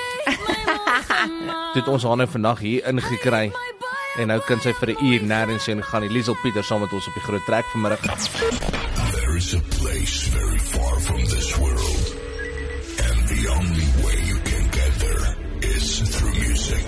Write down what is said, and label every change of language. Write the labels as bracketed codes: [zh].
[af] Toe het ons haar nou vandag hier ingekry. En nou kan sy vir 'n uur nêrens heen gaan. Die Liezel Pieters saam met ons op die Groot Trek vanmiddag. [en] There is a place very far from this world. And the only way you can get there is through music.